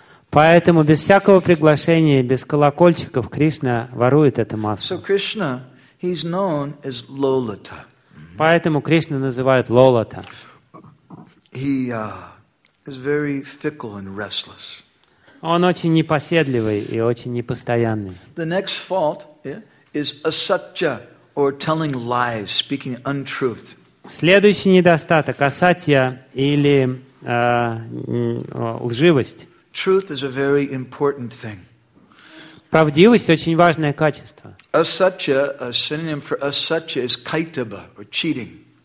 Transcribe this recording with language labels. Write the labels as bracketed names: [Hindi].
[Russian] Поэтому без всякого приглашения, без колокольчиков Кришна ворует это масло. [English] He's known as Lolita. [Russian] Поэтому Кришна называют Лолита. [English] He is very fickle and restless. [Russian] Он очень непоседливый и очень непостоянный. [English] The next fault is asatya, or telling lies, speaking untruth. [Russian] Следующий недостаток асатья или лживость. [English] Truth is a very important thing. [Russian] Правдивость – очень важное качество. [English] Asatya, a synonym for asatya is kaitava, or cheating.